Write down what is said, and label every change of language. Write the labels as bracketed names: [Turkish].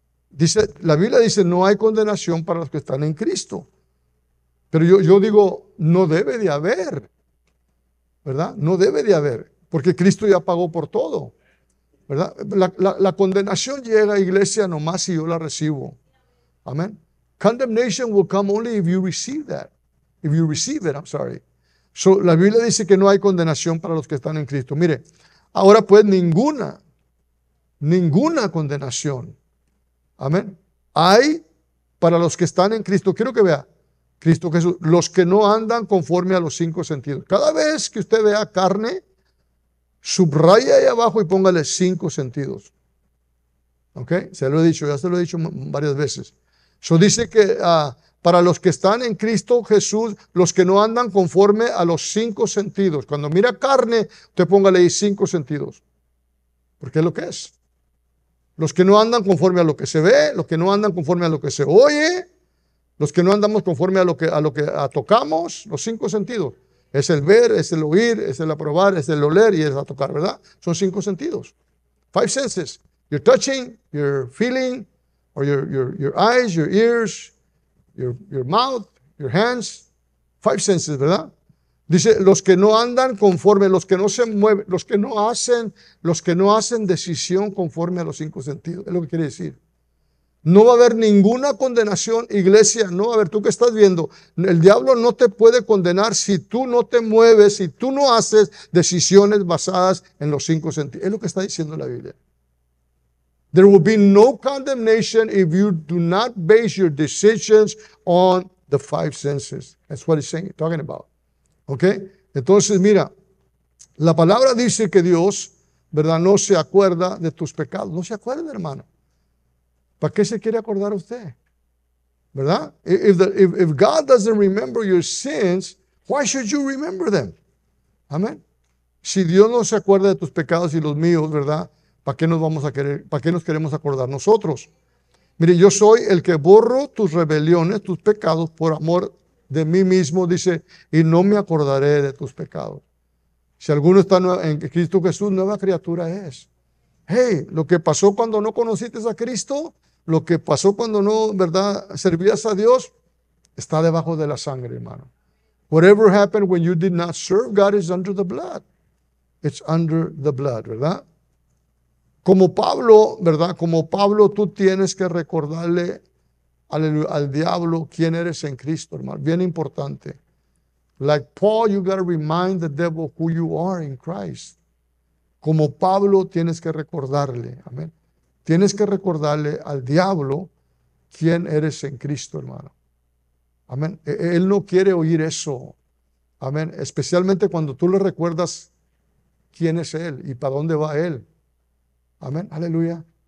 [Spanish] Dice, la Biblia dice, no hay condenación para los que están en Cristo. Pero yo digo, no debe de haber, ¿verdad? No debe de haber, porque Cristo ya pagó por todo, ¿verdad? La condenación llega a iglesia nomás si yo la recibo. Amén. [English] Condemnation will come only if you receive that. If you receive it, I'm sorry. [Spanish] So, la Biblia dice que no hay condenación para los que están en Cristo. Mire, ahora pues ninguna condenación, amén, hay para los que están en Cristo. Quiero que vea, Cristo Jesús, los que no andan conforme a los cinco sentidos. Cada vez que usted vea carne, subraya ahí abajo y póngale cinco sentidos. ¿Ok? Ya se lo he dicho varias veces. Eso dice que para los que están en Cristo Jesús, los que no andan conforme a los cinco sentidos. Cuando mira carne, usted póngale ahí cinco sentidos. Porque es lo que es. Los que no andan conforme a lo que se ve, los que no andan conforme a lo que se oye, los que no andamos conforme a lo que tocamos, los cinco sentidos. Es el ver, es el oír, es el aprobar, es el oler y es el tocar, ¿verdad? Son cinco sentidos. [English] Five senses. You're touching, you're feeling, or your eyes, your ears, your mouth, your hands. Five senses, [Spanish] ¿verdad? Dice, los que no andan conforme, los que no se mueven, los que no hacen decisión conforme a los cinco sentidos. Es lo que quiere decir. No va a haber ninguna condenación, iglesia. No, a ver, tú que estás viendo, el diablo no te puede condenar si tú no te mueves, si tú no haces decisiones basadas en los cinco sentidos. Es lo que está diciendo la Biblia. [English] There will be no condemnation if you do not base your decisions on the five senses. That's what he's saying, talking about. [Spanish] Ok, entonces mira, la palabra dice que Dios, ¿verdad?, no se acuerda de tus pecados. No se acuerda, hermano. ¿Para qué se quiere acordar usted? ¿Verdad? [English] If God doesn't remember your sins, why should you remember them? [Spanish] Amén. Si Dios no se acuerda de tus pecados y los míos, ¿verdad?, ¿para qué nos vamos a querer, para qué nos queremos acordar nosotros? Mire, yo soy el que borro tus rebeliones, tus pecados, por amor de mí mismo, dice, y no me acordaré de tus pecados. Si alguno está en Cristo Jesús, nueva criatura es. Hey, lo que pasó cuando no conociste a Cristo, lo que pasó cuando no, ¿verdad?, servías a Dios, está debajo de la sangre, hermano. [English] Whatever happened when you did not serve God is under the blood. It's under the blood, [Spanish] ¿verdad? Como Pablo, ¿verdad?, como Pablo, tú tienes que recordarle al diablo quién eres en Cristo, hermano. Bien importante. [English] Like Paul, you got to remind the devil who you are in Christ. [Spanish] Como Pablo, tienes que recordarle, amén. Tienes que recordarle al diablo quién eres en Cristo, hermano. Amén. Él no quiere oír eso, amén. Especialmente cuando tú le recuerdas quién es él y para dónde va él. Amén, aleluya.